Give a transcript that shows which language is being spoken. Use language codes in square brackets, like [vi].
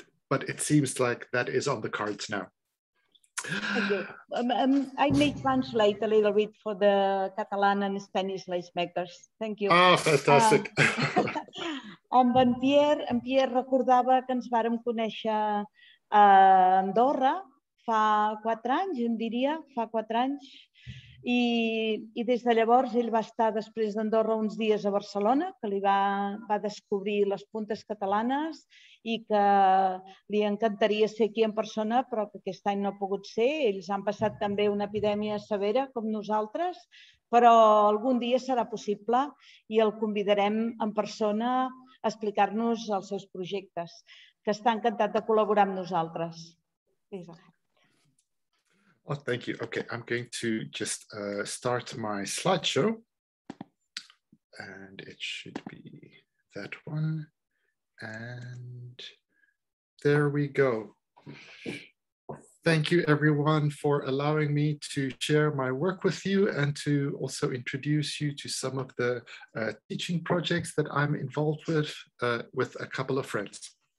[en] But it seems like that is on the cards now. Okay. I may translate a little bit for the Catalan and Spanish lacemakers. Thank you. Ah, fantastic. [ca] Amb en Pierre recordava que ens vàrem conèixer a Andorra fa 4 anys, em diria, fa 4 anys. I des de llavors ell va estar després d'Andorra uns dies a Barcelona, que li va descobrir les puntes catalanes i que li encantaria ser aquí en persona, però que aquest any no ha pogut ser. Ells han passat també una epidèmia severa com nosaltres, però algun dia serà possible i el convidarem en persona a explicar-nos els seus projectes, que està encantat de col·laborar amb nosaltres. [en] Oh, thank you. Okay, I'm going to just start my slideshow. And it should be that one. And there we go. Thank you everyone for allowing me to share my work with you and to also introduce you to some of the teaching projects that I'm involved with a couple of friends.